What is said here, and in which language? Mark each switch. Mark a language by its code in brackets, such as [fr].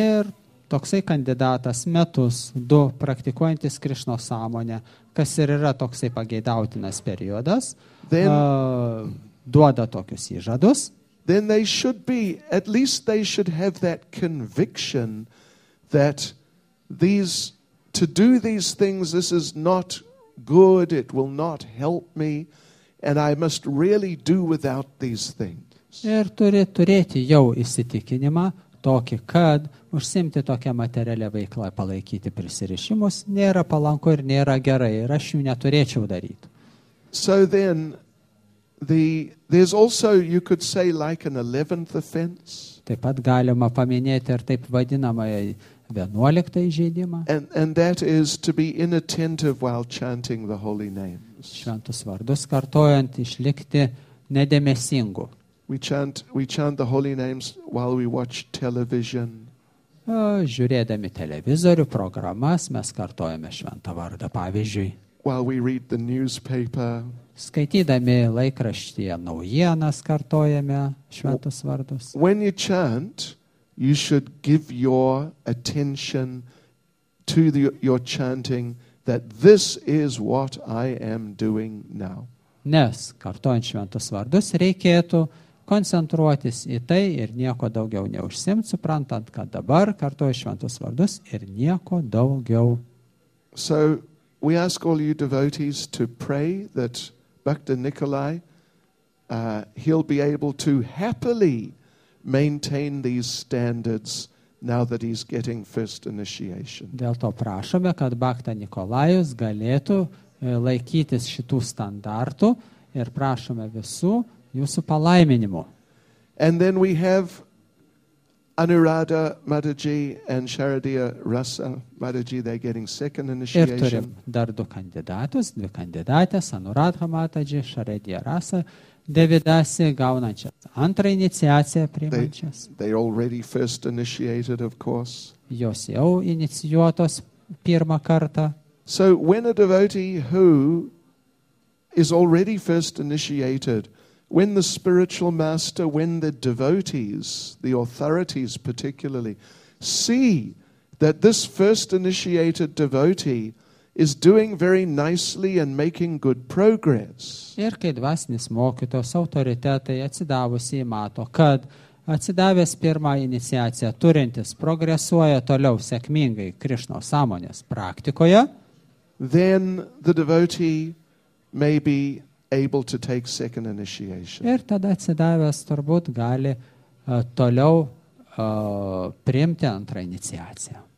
[lt] Ir toksai kandidatas metus du praktikuojantis Krishna sąmonę, kas ir yra toksai pageidautinas periodas, then, duoda tokius įžadus. [en] Then they should be, at least they should have that conviction that these, to do these things, this is not good, it will not help me, and I must really do without these things. [lt] Ir turi turėti jau įsitikinimą tokį, kad užsiimti tokią materialią veiklą, palaikyti prisirišimus, nėra palanku ir nėra gerai, ir aš jų neturėčiau daryti. [en] So then, there's also, you could say, like an 11th offense. [lt] Taip pat galima paminėti ir taip vadinamą 11th įžeidimą. [en] And that is to be inattentive while chanting the holy names. [lt] Šventus vardus kartojant, išlikti nedėmesingu. [en] We chant the holy names while we watch television. [lt] Žiūrėdami televizorių programas, mes kartojame šventą vardą, pavyzdžiui. [en] While we read the newspaper. [lt] Skaitydami laikraštyje naujienas kartojame šventus vardus. [en] When you chant, you should give your attention to your chanting that this is what I am doing now. [lt] Nes kartojant šventus vardus reikėtų koncentruotis į tai ir nieko daugiau neužsimti, suprantant, kad dabar kartoju šventus vardus ir nieko daugiau. [en] So we ask all you devotees to pray that Bhakta Nikolai, he'll be able to happily maintain these standards now that he's getting first initiation. [lt] Dėl to prašome, kad Bhakta Nikolajus galėtų laikytis šitų standartų ir prašome visų jūsų palaiminimų. [en] And then we have Anuradha Madhaji and Sharadiya Rasa Madhaji, they're getting second initiation. [lt] Ir turim dar du kandidatus, dvi kandidatės, Anuradha Madhaji, Sharadiya Rasa, Devidasi gaunančias antrą iniciaciją priimančias. [en] They already first initiated, of course. [lt] Jos jau inicijuotos pirmą kartą. [en] So when a devotee who is already first initiated, when the spiritual master, when the devotees, the authorities particularly, see that this first initiated devotee is doing very nicely and making good progress. [lt] Ir kai dvasinis mokytos autoritetai atsidavusiai mato, kad atsidavęs pirmą iniciaciją turintis progresuoja toliau sėkmingai Krišnos sąmonės praktikoje, [en] then the devotee may be able to take second initiation. [lt] Ir tada atsidavęs turbūt gali toliau priimti antrą iniciaciją.